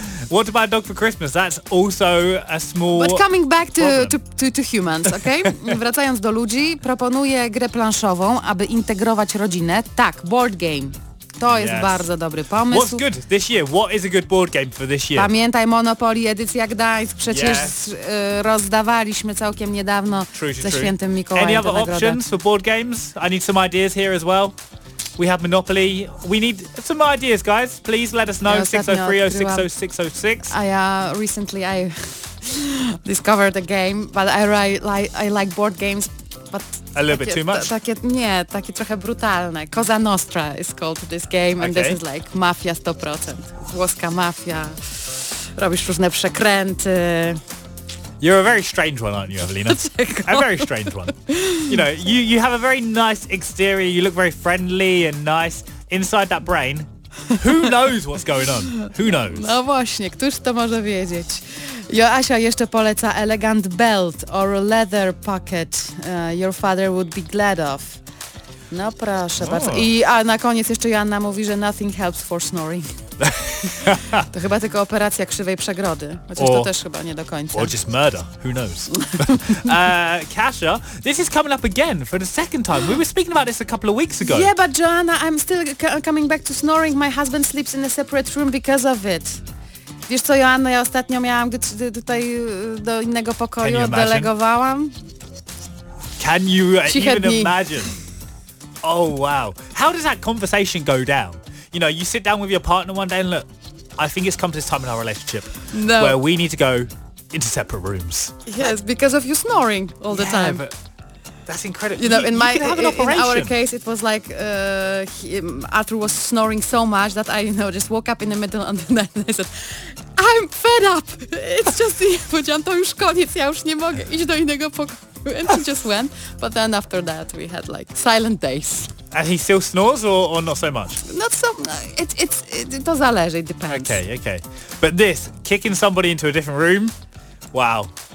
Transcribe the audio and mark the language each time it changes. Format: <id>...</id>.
<en>What to buy a dog for Christmas? That's also a small... But coming back to humans, okay?</en> <pl>Wracając do ludzi, proponuję grę planszową, aby integrować rodzinę. Tak, board game. To jest bardzo dobry pomysł.</pl> <en>What's good this year? What is a good board game for this year?</en> <pl>Pamiętaj Monopoly, edycja Gdańsk. Przecież rozdawaliśmy całkiem niedawno ze Świętym Mikołajem.</pl> <en>Any other options for board games? I need some ideas here as well. We have Monopoly. We need some ideas, guys. Please let us know. 603-060-606. I recently discovered a game, but I like board games, but a little bit too much.</en> <pl>Takie trochę brutalne.</pl> <en>Cosa Nostra is called this game, and okay. This is like mafia 100%.</en> <pl>Włoska mafia. Robisz różne przekręty.</pl> <en>You're a very strange one, aren't you, Evelina? A very strange one. You know, you have a very nice exterior. You look very friendly and nice. Inside that brain, who knows what's going on? Who knows?</en> <pl>No właśnie, któż to może wiedzieć? Joasia jeszcze poleca</pl> <en>elegant belt or a leather pocket your father would be glad of.</en> <pl>No proszę bardzo. A na koniec jeszcze Joanna mówi, że</pl> <en>nothing helps for snoring.</en> <pl>To chyba tylko operacja krzywej przegrody. Chociaż to też chyba nie do końca.</pl> <en>Or just murder, who knows. Kasia, this is coming up again for the second time. We were speaking about this a couple of weeks ago. Yeah, but Joanna, I'm still coming back to snoring. My husband sleeps in a separate room because of it.</en> <pl>Wiesz co, Joanna, ja ostatnio miałam tutaj do innego pokoju, oddelegowałam.</pl> <en>Can you even imagine? Oh, wow. How does that conversation go down? You know, you sit down with your partner one day and look, I think it's come to this time in our relationship where we need to go into separate rooms. Yes, because of you snoring all the time. But that's incredible. You know, in our case, it was like Arthur was snoring so much that I just woke up in the middle of the night and I said, I'm fed up. It's just,</en> <pl>powiedziałam, to już koniec, ja już nie mogę iść do innego pokoju.</pl> <en>And he just went, but then after that we had like silent days. And he still snores or not so much? Not so, it does</en> <pl>zależy,</pl> <en>it depends. Okay. But this, kicking somebody into a different room, wow.</en>